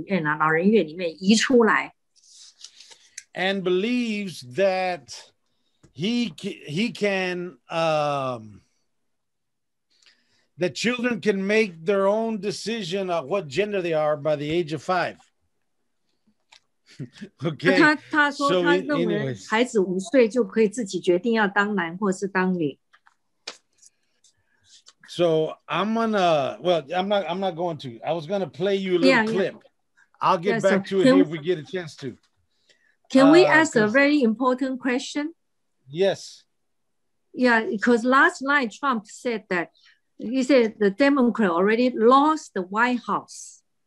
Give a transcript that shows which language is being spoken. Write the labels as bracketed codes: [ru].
[zh] 他自己就是说，因为那个纽约的那个州长呢，Cuomo，他把很多那些得新冠病毒人都通通送回这个养老院，然后这个Levin呢，他赞成这个州长这么做，可是他把他自己的老人家家里的这个父母呢，却从这个养老院里面啊，老人院里面移出来。 [en] And believes that he can that children can make their own decision of what gender they are by the age of 5. Okay. [zh] 他说他认为孩子5岁就可以自己决定要当男或是当女。 [en] So I'm not going to. I was going to play you a little clip. I'll get back to it if we get a chance to. Can we ask a very important question? Yes. Yeah, because last night Trump said that he said the Democrat already lost the White House.